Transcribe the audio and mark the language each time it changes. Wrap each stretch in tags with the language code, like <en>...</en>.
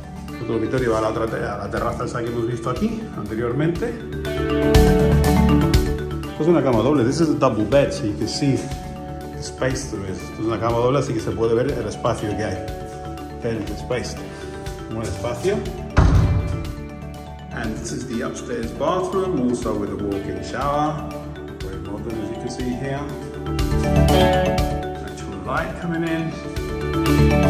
<es>El otro dormitorio va a la terraza esa que hemos visto aquí anteriormente. Esto es una cama doble.</es> <en>This is a double bed, so you can see the space through it.</en> <es>Esto es una cama doble, así que se puede ver el espacio que hay.</es> <en>Ten the space.</en> <es>Un espacio.</es> <en>And this is the upstairs bathroom, also with a walk-in shower. As you can see here, natural light coming in.</en>